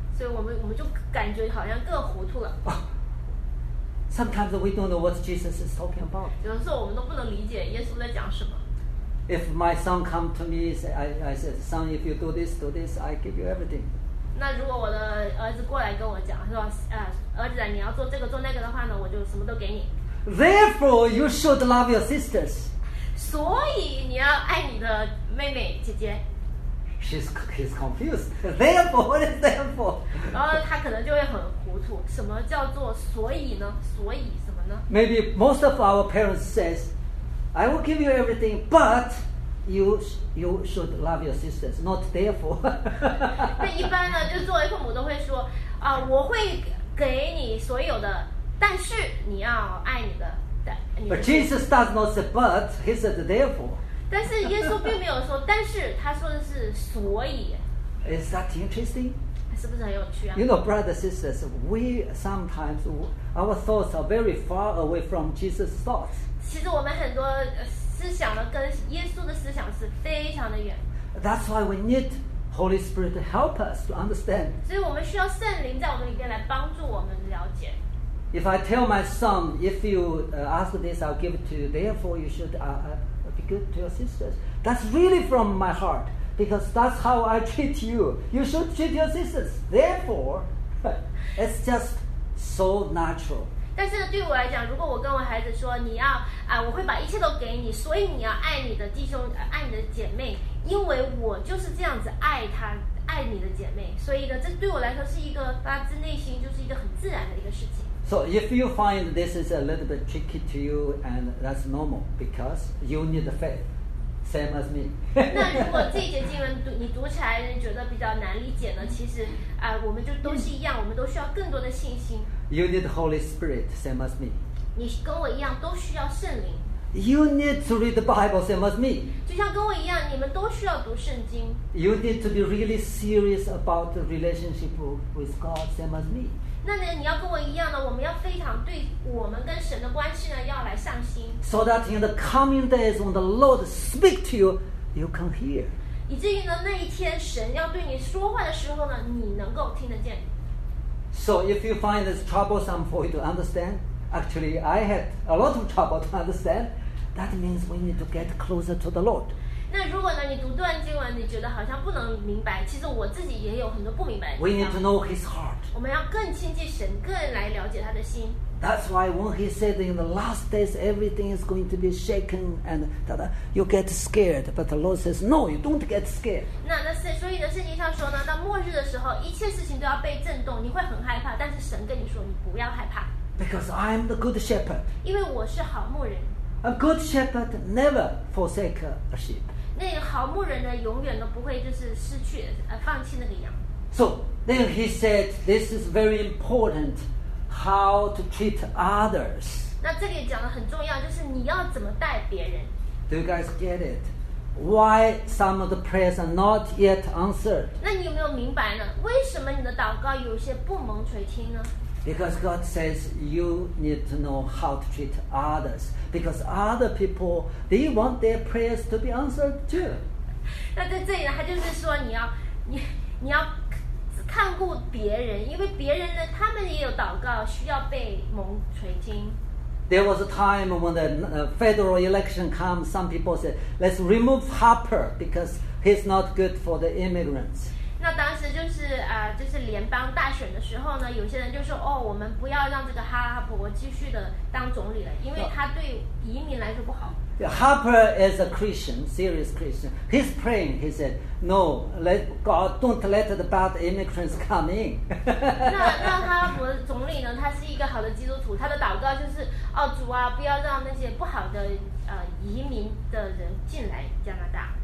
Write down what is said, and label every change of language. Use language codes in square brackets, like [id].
[zh] 所以我们就感觉好像更糊涂了。 [en] Sometimes we don't know what Jesus is talking about. [zh] 有时候我们都不能理解耶稣在讲什么。 [en] If my son come to me, I said, son, if you do this, I give you everything. [zh] 那如果我的儿子过来跟我讲，说，儿子，你要做这个做那个的话呢，我就什么都给你。 [en] Therefore, you should love your sisters. [zh] 所以你要爱你的妹妹姐姐。 [en] He's confused. Therefore, what is therefore? [zh] 然后他可能就会很糊涂，什么叫做所以呢？所以什么呢 [en] ？Maybe most of our parents says. I will give you everything, but you should love your sisters. Not therefore. [zh] 那一般呢，就作为父母都会说，啊，我会给你所有的，但是你要爱你的。 [en] But Jesus does not say but, he said therefore. [zh] 但是耶稣并没有说，但是他说的是所以。 [en] Is that interesting? [zh] 是不是很有趣啊？ [en] You know, brothers, sisters, we sometimes our thoughts are very far away from Jesus' thoughts. [zh] 其实我们很多思想呢，跟耶稣的思想是非常的远。 [en] That's why we need Holy Spirit to help us to understand. [zh] 所以我们需要圣灵在我们里面来帮助我们了解。 [en] If I tell my son, if you ask this, I'll give it to you. Therefore, you should be good to your sisters. That's really from my heart, because that's how I treat you. You should treat your sisters. Therefore, it's just so natural. [zh] 但是对我来讲，如果我跟我孩子说，你要啊，我会把一切都给你，所以你要爱你的弟兄，爱你的姐妹，因为我就是这样子爱他，爱你的姐妹。所以呢，这对我来说是一个发自内心，就是一个很自然的一个事情。 [en] So if you find this is a little bit tricky to you, and that's normal because you need the faith, same as me. [zh] 那如果这节经文读你读起来觉得比较难理解呢？其实啊，我们就都是一样，我们都需要更多的信心。 [en] You need the Holy Spirit, same as me. [zh] 你跟我一样都需要圣灵。 [en] You need to read the Bible, same as me. [zh] 就像跟我一样，你们都需要读圣经。 [en] You need to be really serious about the relationship with God, same as me. [zh] 那呢你要跟我一样呢，我们要非常对我们跟神的关系呢要来上心。 [en] So that in the coming days when the Lord speak to you, you can hear. [zh] 以至于呢那一天神要对你说话的时候呢，你能够听得见。 [en] So if you find it's troublesome for you to understand, actually I had a lot of trouble to understand, that means we need to get closer to the Lord. [zh] 那如果呢你读段经文你觉得好像不能明白，其实我自己也有很多不明白的。 [en] We need to know his heart. [zh] 我们要更亲近神，更来了解他的心。 [en] That's why when he said in the last days everything is going to be shaken and tada, you get scared, but the Lord says no, you don't get scared. [zh] 那所以呢，圣经上说呢，到末日的时候，一切事情都要被震动，你会很害怕。但是神跟你说，你不要害怕。 [en] Because I'm the good shepherd. [zh] 因为我是好牧人。 [en] A good shepherd never forsake a sheep. [zh] 那个好牧人呢，永远都不会就是失去放弃那个羊。 [en] So. Then he said, this is very important, how to treat others. [zh] 那这里讲的很重要，就是你要怎么待别人。 [en] Do you guys get it? Why some of the prayers are not yet answered? [zh] 那你有没有明白呢？为什么你的祷告有些不蒙垂听呢？ [en] Because God says you need to know how to treat others. Because other people, they want their prayers to be answered too. [zh] 那在这里呢，他就是说你要看顾别人，因为别人呢，他们也有祷告需要被蒙垂听。 [en] There was a time when the federal election came, some people said, "Let's remove Harper because he's not good for the immigrants." [zh] 那当时就是联邦大选的时候呢，有些人就说，哦，我们不要让这个哈珀继续的当总理了，因为他对移民来说不好。 [en] Harper is a Christian, serious Christian. He's praying. He said, "No, let God don't let the bad immigrants come in." [zh] 那哈佛总理呢？他是一个好的基督徒。他的祷告就是，哦，主啊，不要让那些不好的移民的人进来加拿大。